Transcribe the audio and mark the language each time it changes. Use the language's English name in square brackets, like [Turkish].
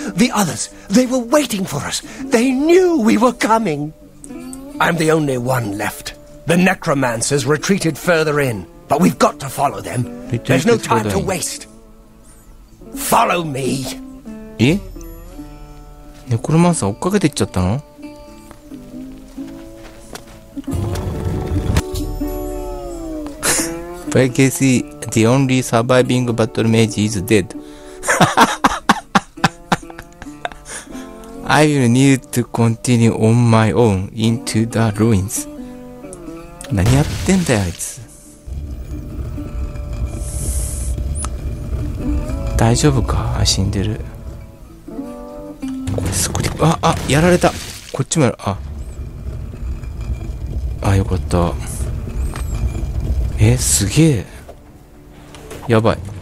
[English] The others, they were waiting for us. They knew we were coming. I'm the only one left. The necromancers retreated further in. But we've got to follow them. There's no time to waste. Follow me. [Japanese] え？ネクロマンサー追っかけていっちゃったの？ [English] バイケーシー、The only surviving battle mage is dead. I will need to continue on my own into the ruins. [Japanese] 何やってんだよ、あいつ。大丈夫か？死んでる。これスクリプ、あ、あ、やられた。こっちもやる。あ、あ、よかった。え、すげえ。やばい。